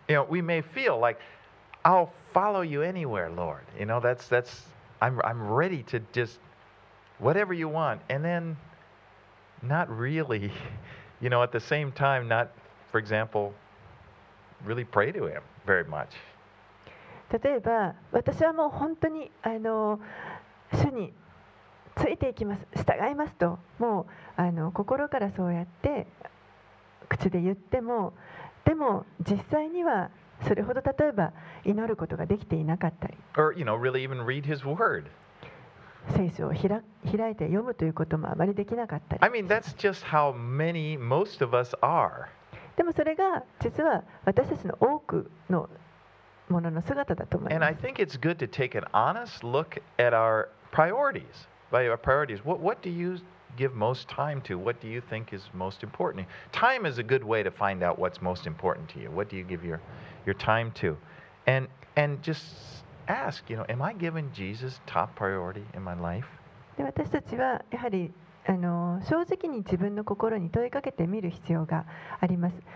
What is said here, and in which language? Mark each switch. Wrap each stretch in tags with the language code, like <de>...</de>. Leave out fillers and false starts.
<en>You know, we may feel like I'll follow you anywhere, Lord. You know, that's I'm ready to just whatever you want, and then not really, you know, at the same time, not, for example, really pray to him very much.</en> <ja>例えば私はもう本当に主についていきます、従いますと、もう心からそうやって口で言っても、でも実際にはそれほど例えば祈ることができていなかったり、</ja> <en>or, you know, really even read his word.</en> <ja>聖書を開いて読むということもあまりできなかったり、</ja> <en>I mean, that's just how many, most of us are.</en> <ja>でもそれが実は私たちの多くのものの姿だと思います。</ja> <en>And I think it's good to take an honest look at our priorities. By our priorities, what do you give most time to? What do you think is most important? Time is a good way to find out what's most important to you. What do you give your time to? And just ask, you know, am I giving Jesus top priority in my life?</en> <ja>で、私たちはやはり正直に自分の心に問いかけてみる必要があります。</ja>